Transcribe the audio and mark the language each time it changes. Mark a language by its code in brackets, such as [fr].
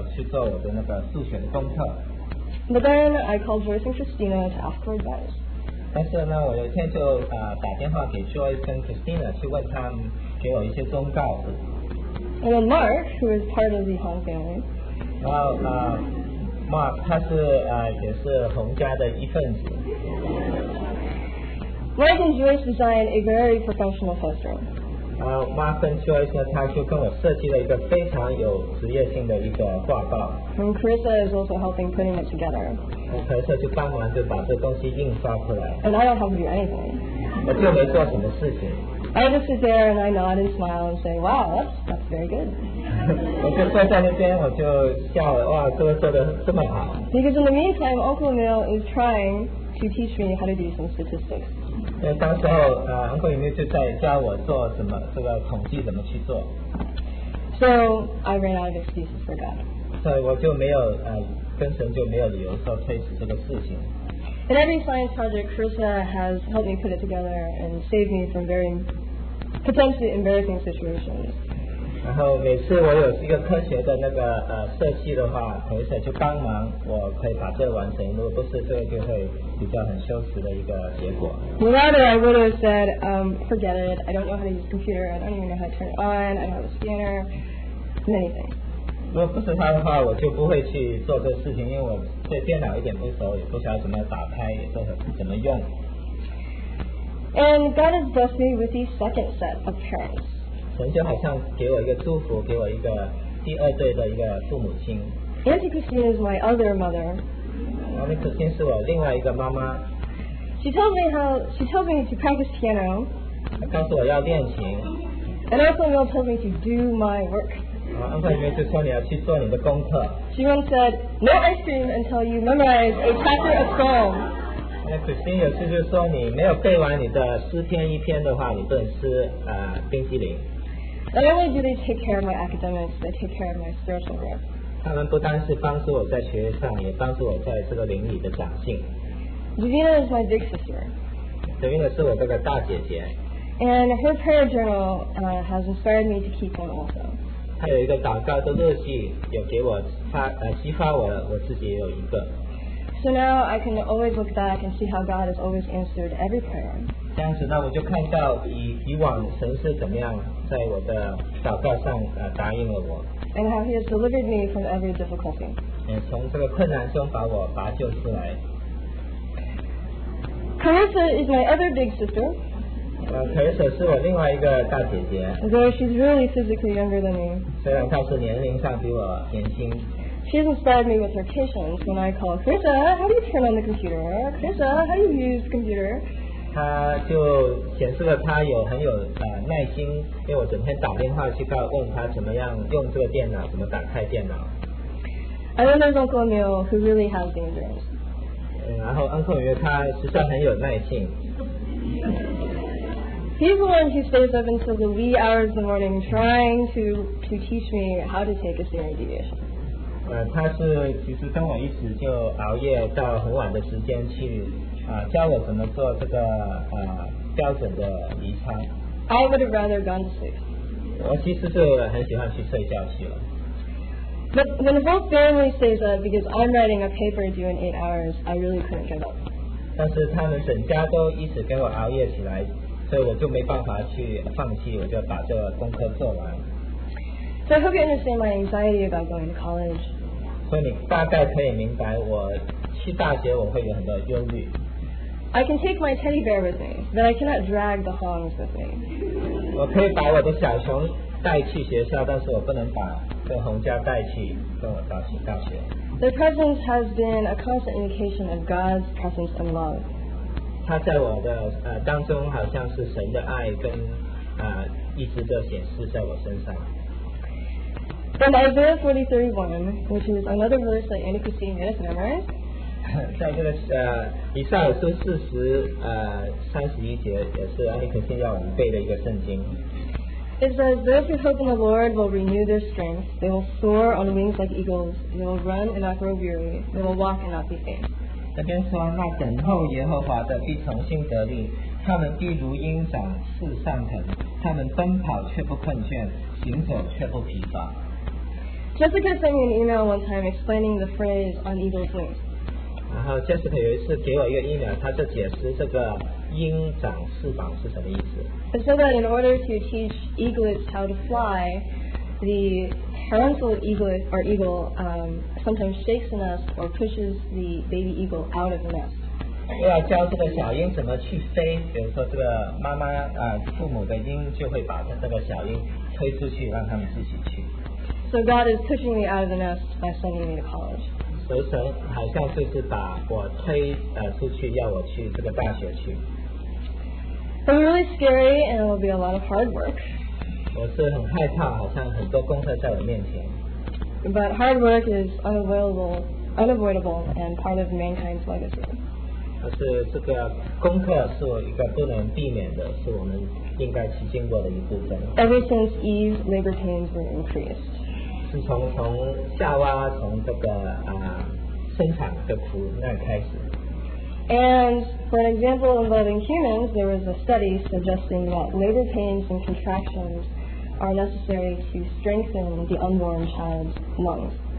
[zh] 我不晓得怎么做这个画报，我也没有时间去做，因为我要去做我的那个数学的功课。 [en] But then I called Joyce and Christina to ask for advice. [zh] 但是呢，我有一天就打电话给 Joyce 跟 Christina 去问他们给我一些忠告。 [en] And then Mark, who is part of the Hong family. [zh] 然后, Mark, 他是也是洪家的一份子。 [en] Mark and Joyce designed a very professional poster. [zh] Martin Joyce 呢，他就跟我设计了一个非常有职业性的一个画报。 [en] And Carissa is also helping putting it together. [zh] Carissa 就帮忙就把这东西印刷出来。 [en] And I don't have to do anything. [zh] 我就没做什么事情。 [en] I just sit there and I nod and smile and say, "Wow, that's very good." [zh] 我就坐在那边，我就笑了，哇，这个做得这么好。 [en] Because in the meantime, Uncle Emil is trying to teach me how to do some statistics. [zh] 因为当时候啊 ，Uncle Emil 就在教我做什么这个统计怎么去做。 [en] So I ran out of excuses for God. [zh] 所以我就没有跟神就没有理由说推迟这个事情。 [en] In every science project, Carissa has helped me put it together and saved me from very potentially embarrassing situations. [zh] 然后每次我有一个科学的那个设计的话，同学就帮忙，我可以把这个完成。如果不是这个，就会比较很羞耻的一个结果。 [en] Without it, I would have said, "Forget it. I don't know how to use a computer. I don't even know how to turn it on. I don't have a scanner. Many things." [zh] 如果不是他的话，我就不会去做这事情，因为我对电脑一点不熟，也不晓得怎么打开，也不怎么用。 [en] And God has blessed me with the second set of parents. [zh] 神就好像给我一个祝福，给我一个第二对的一个父母亲。 [en] Auntie Christine is my other mother. [zh] Auntie Christine 是我另外一个妈妈。 [en] She told me to practice piano. [zh] 她告诉我要练琴。 [en] And also, Mel told me to do my work. [zh] 安排里面就说你要去做你的功课。 [en] She once said, "No ice cream until you memorize a chapter of Psalm." [zh] 那 Christine 有次就说你没有背完你的诗篇一篇的话，你不能吃冰激凌。 [en] Not only do they take care of my academics, they take care of my spiritual work. [zh] 他们不单是帮助我在学业上，也帮助我在这个灵里的长进。 [en] Davina is my big sister. [zh] Davina 是我这个大姐姐。 [en] And her prayer journal has inspired me to keep one also. [zh] 她有一个祷告的日记，有给我激发我，我自己也有一个。 [en] So now I can always look back and see how God has always answered every prayer. [zh] 这样子呢，我就看到以往神是怎么样在我的祷告上答应了我。 [en] And how He has delivered me from every difficulty. [zh] 从这个困难中把我拔救出来。 [en] Carissa is my other big sister. [zh] Carissa 是我另外一个大姐姐。 [en] Though she's really physically younger than me. [zh] 虽然她是年龄上比我年轻。 [en] She's inspired me with her patience when I call Carissa, "How do you turn on the computer? Carissa, how do you use the computer?" [zh] 她就显示了她有很有耐心，因为我整天打电话去问她怎么样用这个电脑，怎么打开电脑。 [en] And then there's Uncle Emil, who really has the endurance. [zh] 然后 Uncle Emil 他实在很有耐性。 [en] He's the one who stays up until the wee hours of the morning trying to teach me how to take a standard deviation. [zh] 他是其实跟我一起就熬夜到很晚的时间去教我怎么做这个标准的离差。 [en] I would have rather gone to sleep. [zh] 我其实是很喜欢去睡觉去了。 [en] But when the whole family stays up because I'm writing a paper due in 8 hours, I really couldn't get up. [zh] 但是他们整家都一直跟我熬夜起来。所以我就没办法去放弃，我就把这个功课做完。 [en] So I hope you understand my anxiety about going to college. [zh] 所以你大概可以明白我去大学我会有很多忧虑。 [en] I can take my teddy bear with me, but I cannot drag the hongs with me. [zh] 我可以把我的小熊带去学校，但是我不能把这个红家带去跟我到大学。 [en] The presence has been a constant indication of God's presence and love. [zh] 他在我的当中好像是神的爱跟一直都显示在我身上。 [en] And Isaiah 43:1, which is another verse that Andy Christine has memorized. [zh] 在这个以赛亚书40:31也是 Andy Christine 要我们背的一个圣经。 [en] It says, "Those who hope in the Lord will renew their strength. They will soar on wings like eagles. They will run and not grow weary. They will walk and not be faint." [zh] 这边说，那等候耶和华的必重新得力，他们必如鹰展翅上腾，他们奔跑却不困倦，行走却不疲乏。 [en] Jessica sent me an email one time explaining the phrase "on eagle's wings." [zh] 然后 Jessica 有一次给我一个 email， 他就解释这个鹰展翅膀是什么意思。 [en] It said that in order to teach eaglets how to fly, the parental eagle or eagle sometimes shakes the nest or pushes the baby eagle out of the nest. [zh] 又要教这个小鹰怎么去飞，比如说这个妈妈啊、父母的鹰就会把这个小鹰推出去，让他们自己去。 [en] So God is pushing me out of the nest by sending me to college. [zh] 所以神好像就是把我推出去，要我去这个大学去。 [en] I'm really scary, and it will be a lot of hard work. [zh] 我是很害怕，好像很多功课在我面前。 [en] But hard work is unavoidable, and part of mankind's legacy. [zh] 可是这个功课是一个不能避免的，是我们应该去经过的一部分。 [en] Ever since Eve, labor pains were increased. [zh] 是从夏娃从这个生产的苦难开始。 [en] And for an example involving humans, there was a study suggesting that labor pains and contractions are necessary to strengthen the unborn child's lungs.